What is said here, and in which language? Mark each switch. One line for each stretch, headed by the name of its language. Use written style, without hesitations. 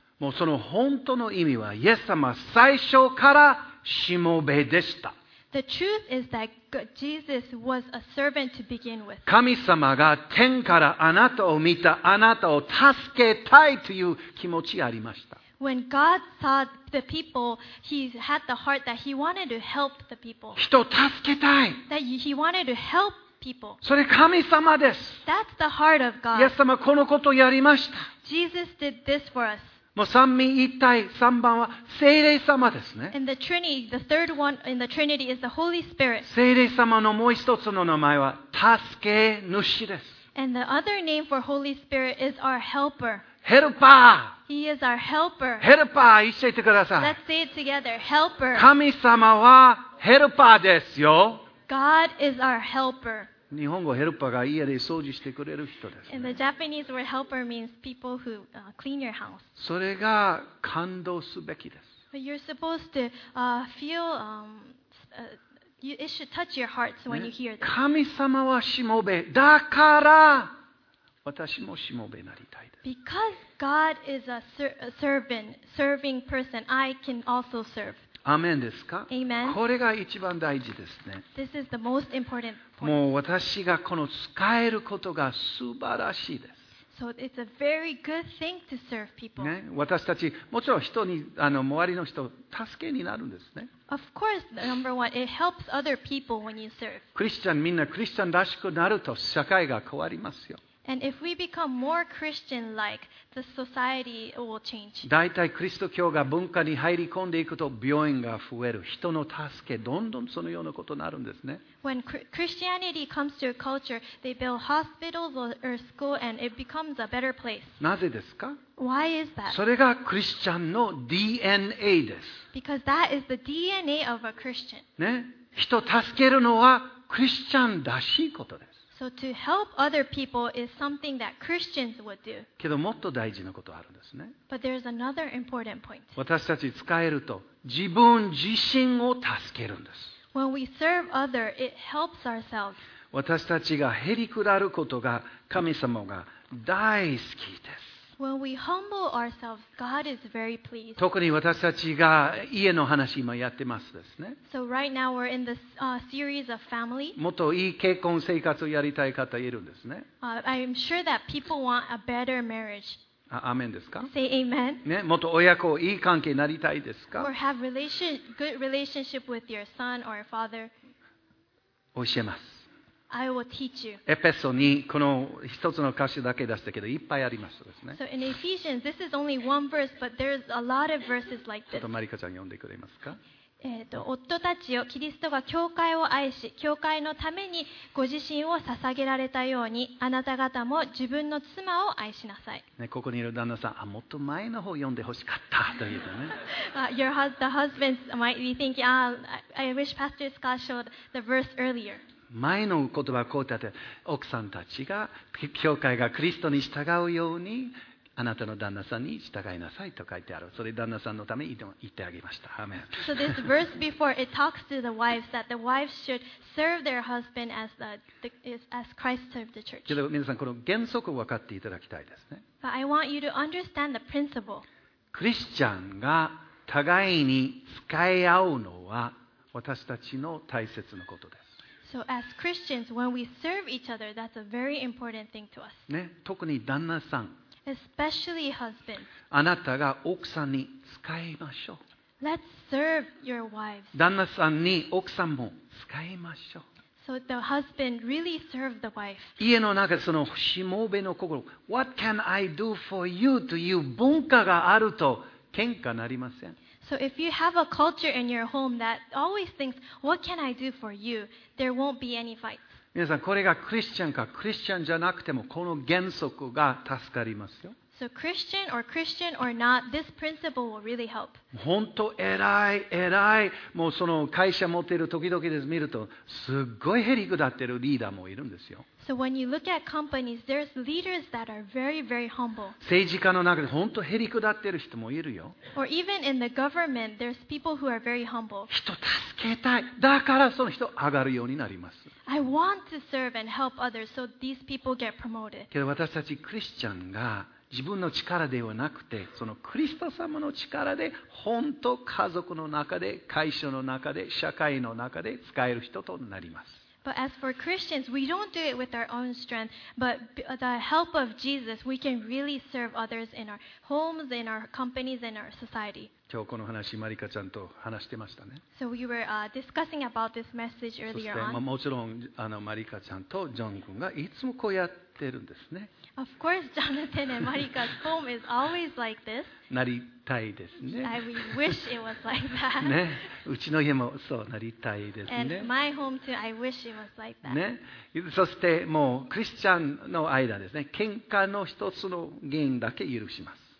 Japanese: もうその本当の意味は、イエス様は最初からしもべでした。
English: The truth is that Jesus was a servant to begin with.
Japanese: 神様が天からあなたを見た、あなたを助けたいという気持ちがありました。
English: When God saw the people, He had the heart that He wanted to help the people.
Japanese: 人を助けたい。
English: That He wanted to help people.
Japanese: それ神様です。
English: That's the heart of God.
Japanese: イエス様このことをやりました。
English: Jesus did this for us.
Japanese: もう三位一体、三番は聖霊様ですね。
English: And the Trinity, the third one in the Trinity is the Holy Spirit.
Japanese: 聖霊様のもう一つの名前は助け主です。
English: And the other name for Holy Spirit is our Helper.
Japanese: ヘルパー。
English: He is our helper.
Japanese: ヘルパー言っててください。
English: Let's say it together. Helper.
Japanese: 神様はヘルパーですよ。
English: God is our helper.
Japanese: 日本語ヘルパーが家で掃除してくれる人です、ね。
English: And the Japanese word helper means people who clean your house.
Japanese: それが感動すべきです。
English: But you're supposed to feel it should touch your hearts when you hear this.
Japanese: 神様はしもべ。だから私もしもべになりたいです。
English: Because God is a servant, serving person. I can also serve.
Japanese: アメンですか？
English: Amen.
Japanese: これが一番大事ですね。
English: This is the most important point.
Japanese: もう私がこの使えることが素晴らしいです。
English: So it's a very good thing to serve people.
Japanese: ね、私たちもちろん人に周りの人助けになるんですね。
English: Of course, number one, it helps other people when you serve.
Japanese: クリスチャンみんなクリスチャンらしくなると社会が変わりますよ。
English: And if we become more Christian-like, the society will change.
Japanese: だいたいクリスト教が文化に入り込んでいくと病院が増える、人の助け、どんどんそのようなことになるんですね。
English: When Christianity comes to a culture, they build hospitals or school, and it becomes a better place.
Japanese: なぜですか？
English: Why is that?
Japanese: それがクリスチャンの DNA です。
English: Because that is the DNA of a Christian.
Japanese: ね、人助けるのはクリスチャンらしいことです。
English: So to help other people is something that Christians would do.
Japanese: けどもっと大事なことあるんですね。
English: But there's another important point.
Japanese: 私たち使えると自分自身を助けるんです。
English: When we serve other, it helps ourselves.
Japanese: 私たちがへりくだることが神様が大好きです。
English: When we humble ourselves, God is very pleased.
Japanese: 特に私たちが家の話今やってますですね。
English: So right now we're in this series of family.
Japanese: もっといい結婚生活をやりたい方いるんですね。
English: I'm sure that people want a better marriage.
Japanese: アーメンですか？
English: Say amen.
Japanese: ね、もっと親子いい関係になりたいですか？
English: Or have good relationship with your son or father.
Japanese: 教えます。
English: I will teach you.
Japanese: エペソにこの一つの歌詞だけ出したけどいっぱいありますですね。
English: So in Ephesians, this is only one verse, but there's a lot of verses like this.
Japanese: ちょっとマリカちゃん読んでくれますか。夫たちよ、キリストが教会を愛し、教会のためにご自身を捧げられたように、あなた方も自分の妻を愛しなさい。ね、ここにいる旦那さん、あ、もっと前の方を読んでほしかったというかね。
English: Your husband might be thinking, ah, I wish Pastor Scott showed the verse earlier.
Japanese: 前の言葉はこうやって奥さんたちが教会がクリストに従うようにあなたの旦那さんに従いなさいと書いてある。それ旦那さんのために言ってあげました。アーメン。
English: So this verse before it talks to the wives that the wives should serve their husband as as Christ served the church.
Japanese: けど皆さんこの原則を分かっていただきたいですね。
English: But I want you to understand the principle.
Japanese: クリスチャンが互いに使い合うのは私たちの大切なことです。
English: So as Christians, when we serve each other, that's a very important thing to us.
Japanese: ね、特に旦那さん。
English: Especially husbands.
Japanese: あなたが奥さんに使いましょう。
English: Let's serve your wives.
Japanese: 旦那さんに奥さんも使いましょう。
English: So the husband really serve the wife.
Japanese: 家の中そのしもべの心、
English: What can I do for you?
Japanese: という文化があると喧嘩なりません。
English: So if you have a culture in your home that always thinks, what can I do for you? There won't be any fights.
Japanese: 皆さん、これがクリスチャンかクリスチャンじゃなくても、この原則が助かりますよ。
English: So Christian or Christian or not, this principle will really help.
Japanese: 本当、偉い、偉い。もうその会社持っている時々です。見ると、すごいへりくだってるリーダーもいるんですよ。
English: So when you look at companies, there's leaders that are very, very humble.
Japanese: 政治家の中で本当へりくだってる人もいるよ。
English: Or even in the government, there's people who are very humble.
Japanese: 人助けたい。だからその人上がるようになります。
English: I want to serve and help others so these people get promoted.
Japanese: けど私たちクリスチャンが自分の力ではなくて、そのクリスト様の力で本当家族の中で、会社の中で、社会の中で使える人となります。
English: But as for Christians, we don't do it with our own strength, but the help of Jesus, we can really serve others in our homes, in our companies, in our society.
Japanese: 今日この話、マリカちゃんと話してましたね。
English: So we were discussing about this message earlier on.
Japanese: もちろんマリカちゃんとジョン君がいつもこうやってるんですね。
English: Of course, Jonathan and Marika's home is always like this.
Japanese: なりたいですね。
English: I wish it was like that.
Japanese: ね、うちの家もそうなりたいですね。
English: And my home too. I wish it was like that.
Japanese: ね、そしてもうクリスチャンの間ですね、喧嘩の一つの原因だけ許します。